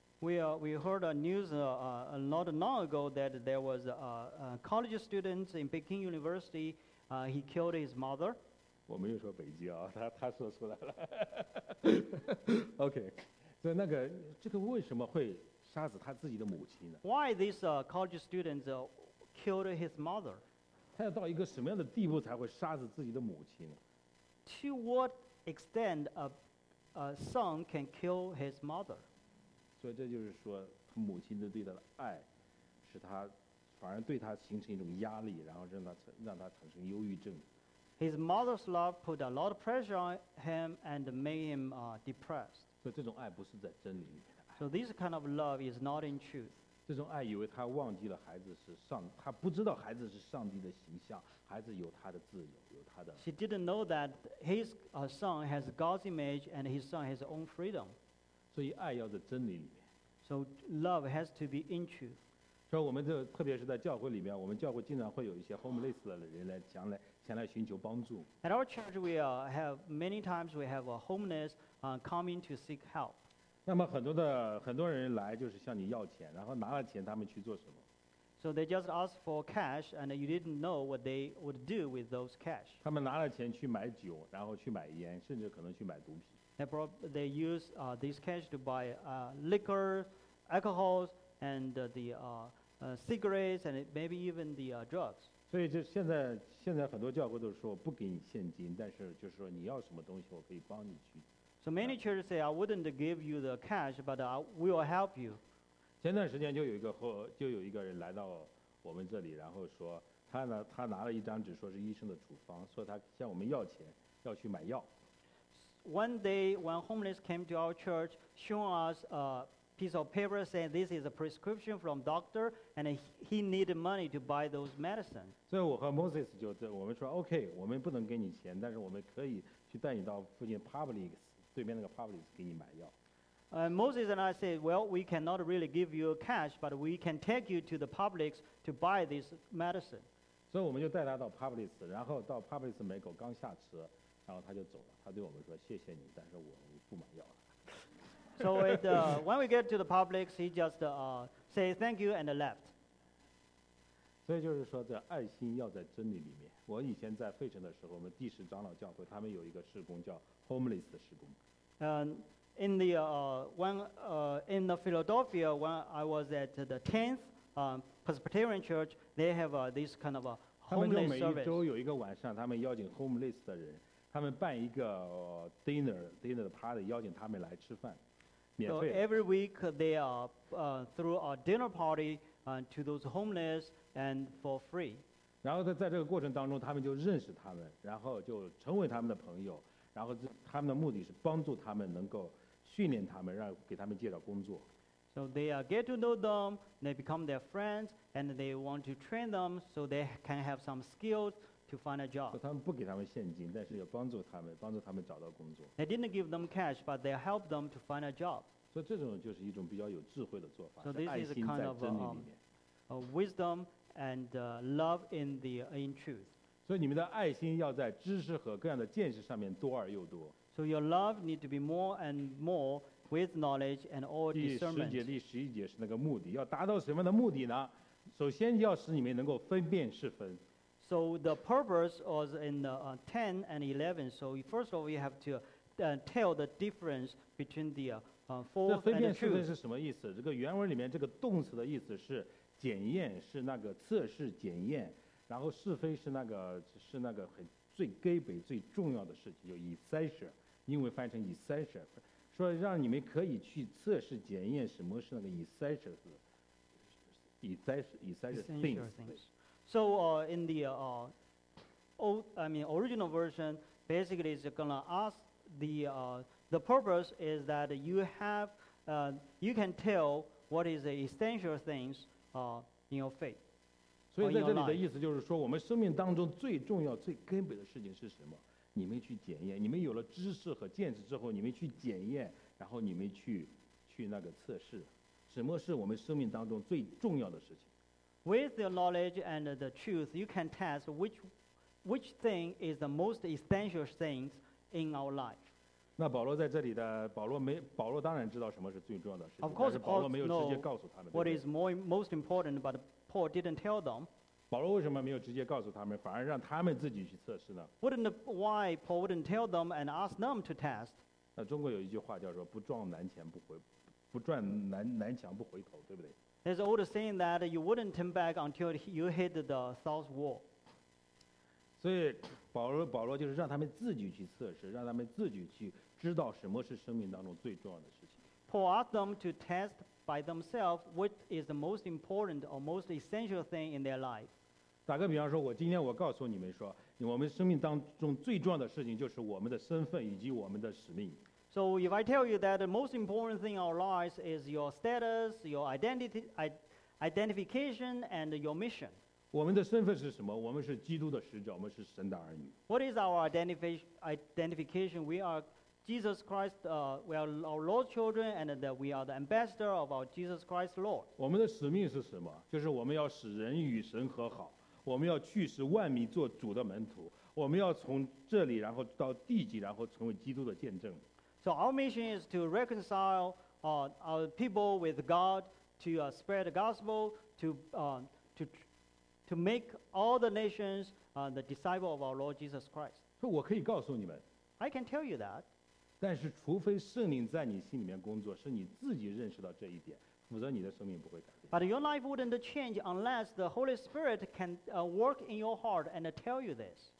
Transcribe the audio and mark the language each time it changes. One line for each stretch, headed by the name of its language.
English: ？We heard a news not long ago that there was a college student in Peking University. He killed his mother.
Chinese: 我没有说北京啊，他说出来了。OK， 所以那个这个为什么会杀死他自己的母亲呢
English: ？Why this college student killed his mother？
Chinese: 他要到一个什么样的地步才会杀死自己的母亲呢？
English: To what extent a son can kill his mother? So this is 说
Chinese: 母亲的对他的爱，使他反而对他形成一种压力，然后让他产生忧郁症。
English: His mother's love put a lot of pressure on him and made him depressed.
Chinese: 所以这种爱不是在真理里。
English: So this kind of love is not in truth.
Chinese: 这种爱以为他忘记了孩子是上，他不知道孩子是上帝的形象，孩子有他的自由，有他的。
English: She didn't know that his son has God's image and his son has his own freedom.
Chinese: 所以爱要在真理里面。
English: So love has to be in truth.
Chinese: 所以我们这特别是在教会里面，我们教会经常会有一些 homeless 的人来前来前来寻求帮助。
English: At our church, we have many times we have a homeless coming to seek help.
Chinese: 那么很多人来就是向你要钱，然后拿了钱他们去做什么
English: ？So they just ask for cash, and you didn't know what they would do with those cash.
Chinese: 他们拿了钱去买酒，然后去买烟，甚至可能去买毒品。
English: They use this cash to buy liquor, alcohols. And cigarettes and maybe even the drugs.
Chinese: 所以就现在很多教会都是说不给你现金，但是就是说你要什么东西，我可以帮你去。
English: So many churches say I wouldn't give you the cash, but I will help you.
Chinese: 前段时间就有一个人来到我们这里，然后说他拿了一张纸，说是医生的处方，所以他向我们要钱，要去买药。
English: One day, when homeless came to our church, showing us piece of paper saying this is a prescription from doctor and he needed money to buy those medicine.
Chinese: 所以我和 Moses 就我们说 OK 我们不能给你钱，但是我们可以去带你到附近 Publix 对面那个 Publix 给你买药。
English: Moses and I said, well, we cannot really give you cash, but we can take you to the Publix to buy this medicine.
Chinese: 所以我们就带他到 Publix， 然后到 Publix 门口刚下车，然后他就走了。他对我们说谢谢你，但是我不买药了。
English: So when we get to the Publix, he just say thank you and left.
Chinese: 所以就是说，这爱心要在真理里面。我以前在费城的时候，我们第十长老教会他们有一个事工叫 homeless 的事工。
English: In the Philadelphia, when I was at the 10th Presbyterian Church, they have this kind of a homeless service.
Chinese: 他们每一周有一个晚上，他们邀请 homeless 的人，他们办一个dinner party， 邀请他们来吃饭。
English: So every week they are through a dinner party to those homeless and for free.
Chinese: 然后在这个过程当中，他们就认识他们，然后就成为他们的朋友。然后他们的目的是帮助他们，能够训练他们，让给他们介绍工作。
English: So they get to know them, they become their friends, and they want to train them so they can have some skills to find a job.
Chinese: 他们不给他们现金，但是要帮助他们，帮助他们找到工作。
English: They didn't give them cash, but they helped them to find a job.
Chinese: 所以这种就是一种比较有智慧的做法。
English: So this is kind of wisdom and love in truth.
Chinese: 所以你们的爱心要在知识和各样的见识上面多而又多。
English: So your love need to be more and more with knowledge and all discernment.
Chinese: 第十一节是那个目的，要达到什么的目的呢？首先要使你们能够分辨是非。
English: So the purpose was in the 10 and 11. So first of all, you have to tell the difference between the fourth and the truth.
Chinese: 这分辨是什么意思？这个原文里面这个动词的意思是检验，是那个测试检验。然后是非是那个很最根本最重要的事情，就 essential， 英文翻成 essential， 说让你们可以去测试检验什么是那个 essential， essential
English: things。 So in the original version, basically it's going to ask the purpose is that you can tell what is the essential things in your faith.
Chinese: 所以在这里的意思就是说，我们生命当中最重要最根本的事情是什么，你们去检验，你们有了知识和见识之后，你们去检验，然后你们去那个测试什么是我们生命当中最重要的事情。
English: With your knowledge and the truth, you can test which thing is the most essential things in our life.
Chinese: 那保罗在这里的保罗当然知道什么是最重要的事情。
English: Of course,
Chinese: 保罗没有直接告诉他们。
English: What is most important, but Paul didn't tell them.
Chinese: 保罗为什么没有直接告诉他们，反而让他们自己去测试呢？
English: Why Paul wouldn't tell them and ask them to test?
Chinese: 那中国有一句话叫做不撞南墙不回，不撞南墙不回头，对不对？
English: There's an old saying that you wouldn't turn back until you hit the south wall.
Chinese: 所以保罗就是让他们自己去测试，让他们自己去知道什么是生命当中最重要的事情。
English: Paul asked them to test by themselves what is the most important or most essential thing in their life.
Chinese: 打个比方说，我今天我告诉你们说，我们生命当中最重要的事情就是我们的身份以及我们的使命。
English: So if I tell you that the most important thing in our lives is your status, your identification, and your mission.
Chinese: 我们的身份是什么？我们是基督的使者，我们是神的儿女。
English: What is our identification? We are Jesus Christ, we are our Lord's children, and that we are the ambassador of our Jesus Christ Lord.
Chinese: 我们的使命是什么？就是我们要使人与神和好，我们要去使万民做主的门徒，我们要从这里然后到地极，然后成为基督的见证。
English: So our mission is to reconcile our people with God, to spread the gospel, to make all the nations the disciple of our Lord Jesus Christ.
Chinese: 我可以告诉你们。
English: I can tell you that.
Chinese: 但是除非圣灵在你心里面工作，是你自己认识到这一点，否则你的生命不会改变。
English: But your life wouldn't change unless the Holy Spirit can work in your heart and tell you this.